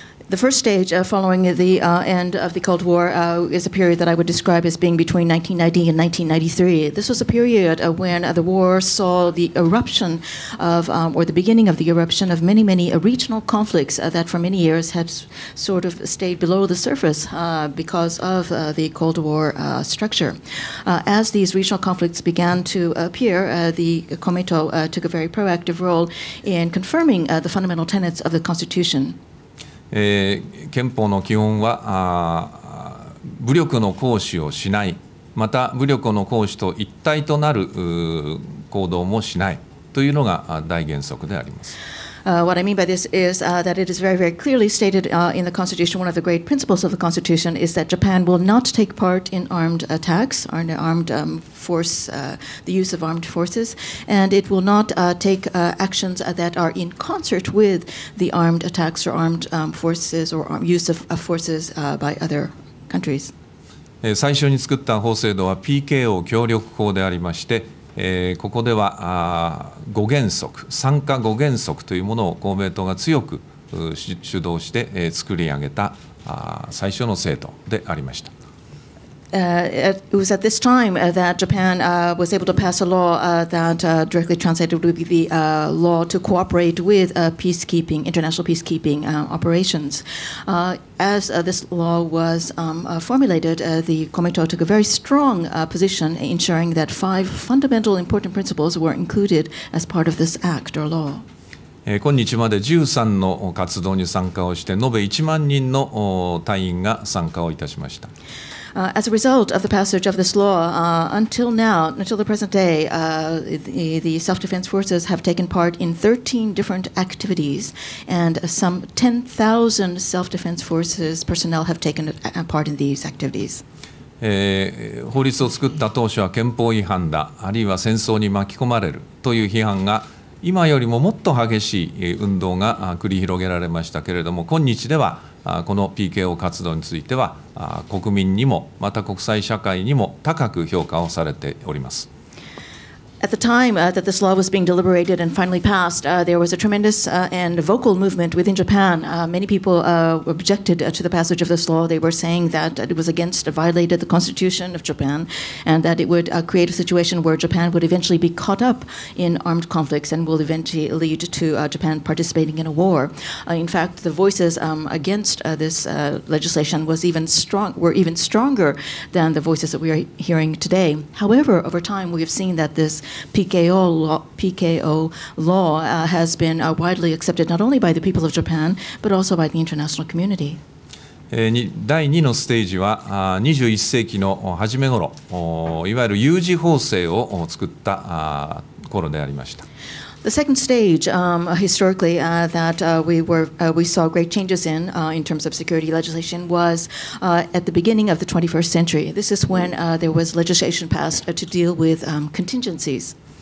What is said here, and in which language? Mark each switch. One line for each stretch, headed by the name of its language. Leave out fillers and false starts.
English: The first stage following the end of the Cold War is a period that I would describe as being between 1990 and 1993. This was a period when the war saw the eruption of, or the beginning of the eruption of many, many regional conflicts that for many years had sort of stayed below the surface because of the Cold War structure. As these regional conflicts began to appear, the Komeito took a very proactive role in confirming the fundamental tenets of the Constitution.
Japanese: 憲法の基本は武力の行使をしない、また武力の行使と一体となる行動もしないというのが大原則であります。
English: What I mean by this is that it is very, very clearly stated in the Constitution, one of the great principles of the Constitution is that Japan will not take part in armed attacks, or in armed force, the use of armed forces, and it will not take actions that are in concert with the armed attacks or armed forces or use of forces by other countries.
Japanese: 最初に作った法制度は PKO 協力法でありまして、ここでは五原則、三加五原則というものを公明党が強く主導して作り上げた最初の制度でありました。
English: It was at this time that Japan was able to pass a law that directly translated would be the law to cooperate with peacekeeping, international peacekeeping operations. As this law was formulated, the Komeito took a very strong position ensuring that five fundamental important principles were included as part of this act or law.
Japanese: 今日まで13の活動に参加をして延べ1万人の隊員が参加をいたしました。
English: As a result of the passage of this law, until now, until the present day, the self-defense forces have taken part in 13 different activities, and some 10,000 self-defense forces personnel have taken part in these activities.
Japanese: 法律を作った当初は憲法違反だ、あるいは戦争に巻き込まれるという批判が、今よりももっと激しい運動が繰り広げられましたけれども、今日では、この PKO 活動については国民にもまた国際社会にも高く評価をされております。
English: At the time that this law was being deliberated and finally passed, there was a tremendous and vocal movement within Japan. Many people objected to the passage of this law. They were saying that it was against, violated the constitution of Japan, and that it would create a situation where Japan would eventually be caught up in armed conflicts and will eventually lead to Japan participating in a war. In fact, the voices against this legislation were even stronger than the voices that we are hearing today. However, over time, we have seen that this PKO law has been widely accepted not only by the people of Japan but also by the international community.
Japanese: 第2のステージは21世紀の初め頃、いわゆる有事法制を作った頃でありました。
English: The second stage, historically, that we saw great changes in terms of security legislation was at the beginning of the 21st century. This is when there was legislation passed to deal with contingencies.